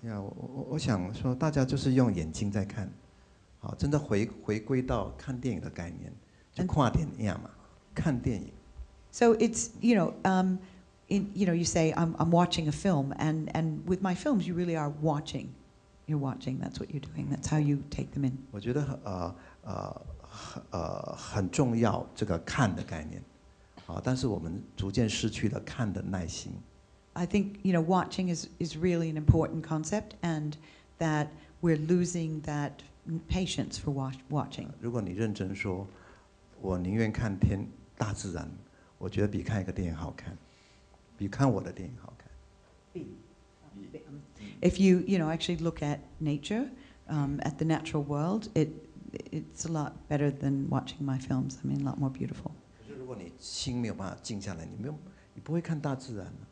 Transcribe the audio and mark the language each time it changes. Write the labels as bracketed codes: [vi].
[zh] Yeah, 我想说，大家就是用眼睛在看，真的回归到看电影的概念，就看电影嘛，看电影。 [en] So it's you say I'm watching a film and with my films you really are watching, you're watching. That's what you're doing. That's how you take them in. [zh] 我觉得很重要这个看的概念，但是我们逐渐失去了看的耐心。 [en] I think, you know, watching is really an important concept, and that we're losing that patience for watching. [zh] 如果你认真说, 我宁愿看天, 大自然, 我觉得比看一个电影好看, 比看我的电影好看。 [en] If you, you know, actually look at nature, at the natural world, it's a lot better than watching my films. I mean, a lot more beautiful. [zh] 可是如果你心没有办法静下来, 你不会看大自然,